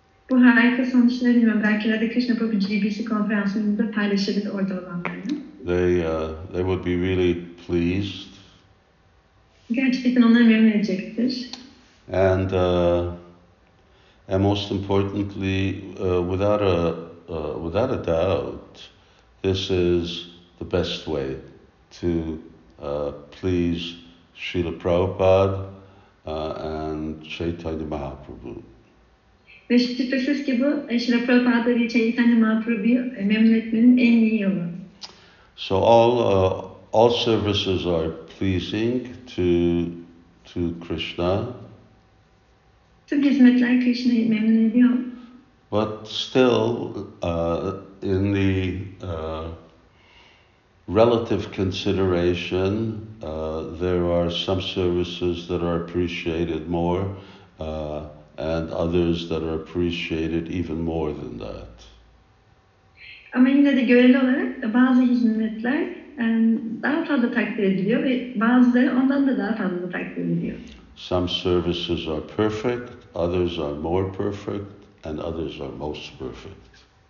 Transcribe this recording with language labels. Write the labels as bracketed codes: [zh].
[tr] Bu harika sonuçları bilmem. Belki Radha Krishna Prabhu GBC konferansında paylaşabilir orada olanlarını. [en] They would be really pleased. [tr] Gerçekten onlar memnun edecektir. [en] And most importantly, without a doubt, this is the best way to please Srila Prabhupada and Chaitanya Mahaprabhu. [tr] Ve şüphesiz ki bu Srila Prabhupada ve Chaitanya Mahaprabhu'yu memnun etmenin en iyi yolu. [en] So all services are pleasing to Krishna. [tr] Tüm hizmetler Krishna'yı memnun ediyor. [en] But still in the relative consideration, there are some services that are appreciated more and others that are appreciated even more than that. [tr] Ama yine de göreli olarak bazı hizmetler daha fazla takdir ediliyor ve bazıları ondan da daha fazla takdir ediliyor. [en] Some services are perfect, others are more perfect, and others are most perfect.